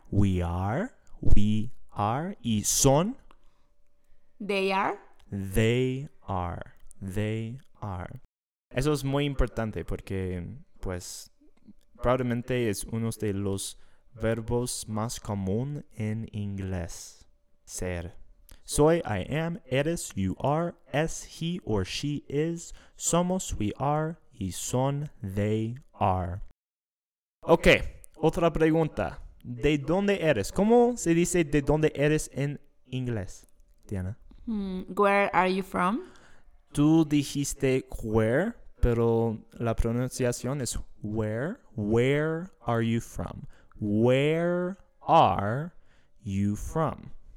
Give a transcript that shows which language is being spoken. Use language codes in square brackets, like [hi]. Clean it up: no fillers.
[en] We are. We are. [es] Y son. [en] They are. They are. They are. [es] Eso es muy importante porque, pues, probablemente es uno de los verbos más común en inglés. Ser. Soy, [en] I am, [es] eres, [en] you are, es, he or she is, [es] somos, [en] we are, [es] y son, [en] they are. [es] Ok, otra pregunta. ¿De dónde eres? ¿Cómo se dice de dónde eres en inglés, Diana? [en] Where are you from? [es] Tú dijiste where, pero la pronunciación es where. [en] Where are you from? Where are you from?